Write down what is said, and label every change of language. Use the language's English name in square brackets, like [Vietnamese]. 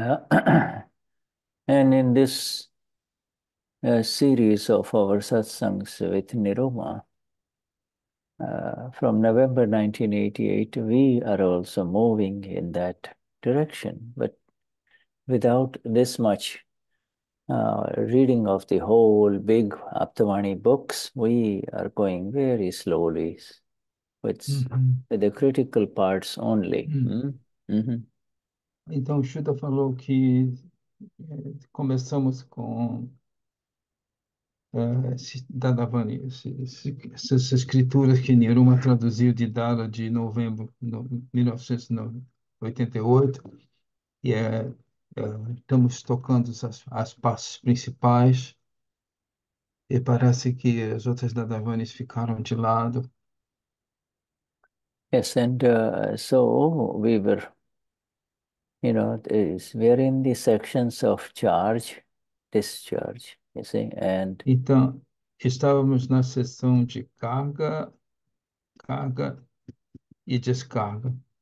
[English] And in this series of our satsangs with Niruma, from November 1988, we are also moving in that direction, but without this much reading of the whole big Aptavani books, we are going very slowly with the critical parts only. [Portuguese] Então, Shuddha falou que começamos com Dadavani, essas escrituras que Niruma traduziu de Dada de novembro de 1988, e estamos tocando as partes principais, e parece que as outras Dadavanis ficaram de lado. [English] Yes, and so we were, we are in the sections of charge, discharge, you see, and [Portuguese] Então, estávamos na seção de carga e descarga.